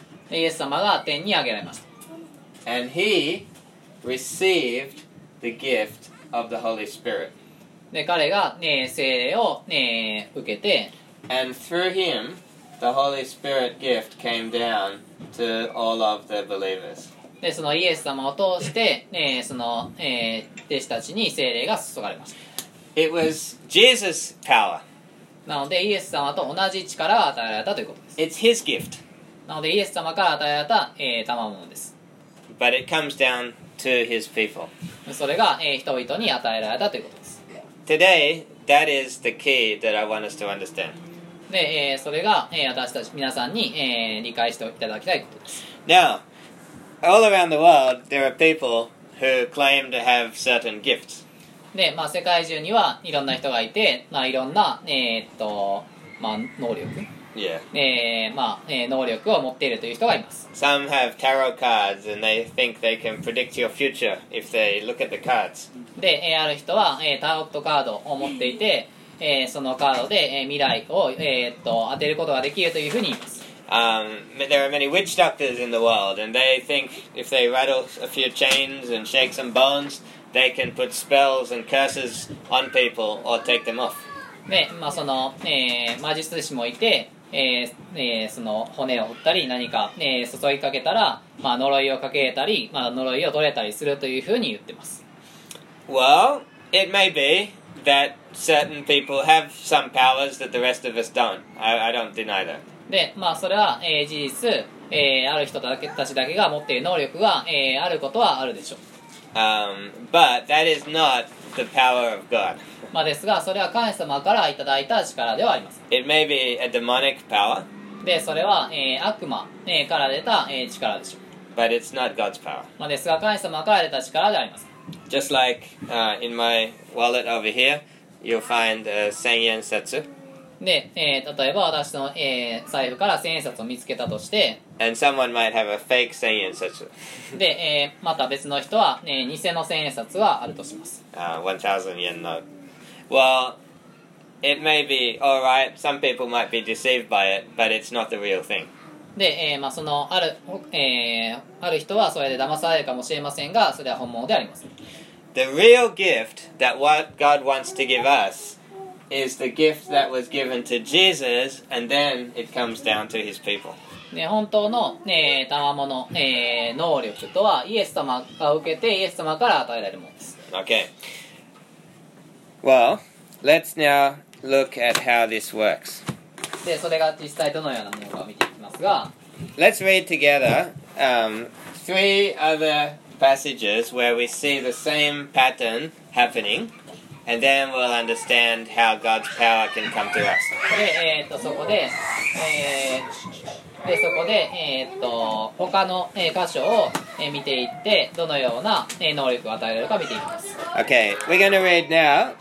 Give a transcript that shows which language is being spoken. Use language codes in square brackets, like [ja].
[ja] イエス様が天に挙げられました。 [en] And he received the gift of the Holy Spirit. [ja] で、彼が、ね、聖霊を、ね、受けて、 [en] And through him, the Holy Spirit gift came down to all of the believers. [ja] で、そのイエス様を通して、ね、その、弟子たちに聖霊が注がれました。 [en] It was Jesus' power. [ja] なので、イエス様と同じ力が与えられたということです。 [en] It's his gift. [ja] なので、イエス様から与えられた、賜物です。 [en] But it comes down to his people. [ja] それが、人々に与えられたということです。 [en] Today, that is the key that I want us to understand. [ja] で、それが、私たち皆さんに、理解していただきたいことです。 [en] Now, all around the world, there are people who claim to have certain gifts. [ja] で、まあ、世界中にはいろんな人がいて、まあ、いろんな、まあ、能力。 [en] Yeah. [ja] まあ、能力を持っているという人がいます。 [en] Some have tarot cards and they think they can predict your future if they look at the cards. [ja] で、ある人は、タロットカードを持っていて、そのカードで、未来を、当てることができるというふうに言います。 [en] There are many witch doctors in the world and they think if they rattle a few chains and shake some bones, they can put spells and curses on people or take them off. [ja] で、まあ、その、魔術師もいて、その骨を折ったり何か、注ぎかけたら、まあ、呪いをかけたり、まあ、呪いを取れたりするというふうに言ってます。 [en] Well, it may be that certain people have some powers that the rest of us don't. I don't deny that. [ja] で、まあ、それは、事実、ある人たちだけが持っている能力が、あることはあるでしょう。 [en] But that is not the power of God. [ja] まあですが、それは神様からいただいた力ではありません。 [en] It may be a demonic power. [ja] で、それは、悪魔、から出た、力でしょう。 [en] But it's not God's power. [ja] まあですが、神様から出た力ではありません。 [en] Just like, in my wallet over here, you'll find a 1,000 yen setsu. [ja] で、例えば私の、財布から1000円札を見つけたとして、 [en] And someone might have a fake 1000円札。 [ja] で、また別の人は、偽の1000円札があるとします。 [en] 1000 yen note. Well, it may be alright. Some people might be deceived by it, but it's not the real thing. [ja] で、まあ、そのある、ある人はそれで騙されるかもしれませんが、それは本物であります。 [en] The real gift that what God wants to give us is the gift that was given to Jesus, and then it comes down to his people. [ja] ね、本当の、ね、賜物、能力とはイエス様が受けてイエス様から与えられるものです。 [en] Okay. Well, let's now look at how this works. [ja] で、それが実際どのようなものかを見ていきますが、 [en] Let's read together, three other passages where we see the same pattern happening. And then we'll understand how God's power can come to us. Okay, we're going to read now.